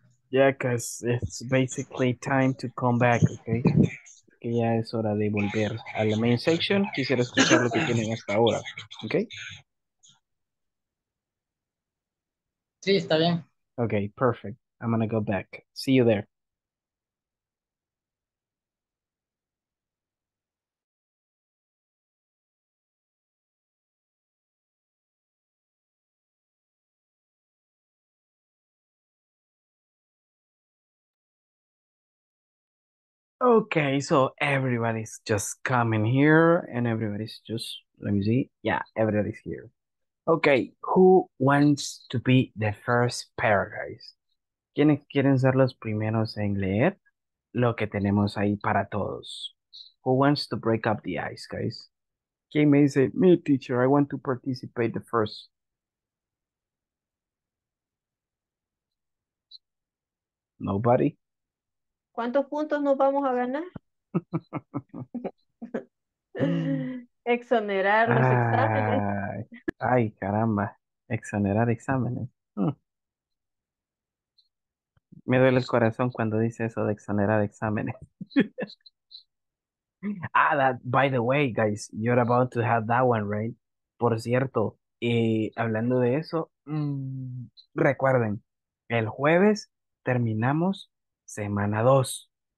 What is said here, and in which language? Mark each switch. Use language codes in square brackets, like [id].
[en] Yeah, because it's basically time to come back, okay? [es] Que ya es hora de volver a la main section. Quisiera escuchar lo que tienen hasta ahora, okay? Sí, está bien. [en] Okay, perfect. I'm gonna go back. See you there. Okay, so everybody's just coming here, and everybody's just, let me see, yeah, everybody's here. Okay, who wants to be the first pair, guys? [es] ¿Quiénes quieren ser los primeros en leer lo que tenemos ahí para todos? [en] Who wants to break up the ice, guys? [es] ¿Quién me dice, [en] me, teacher, I want to participate the first? Nobody? [es] ¿Cuántos puntos nos vamos a ganar? Exonerar los exámenes. Ay, caramba. Exonerar exámenes. Me duele el corazón cuando dice eso de exonerar exámenes. [en] Ah, that, by the way, guys, you're about to have that one, right? [es] Por cierto, y hablando de eso, recuerden, el jueves terminamos semana 2.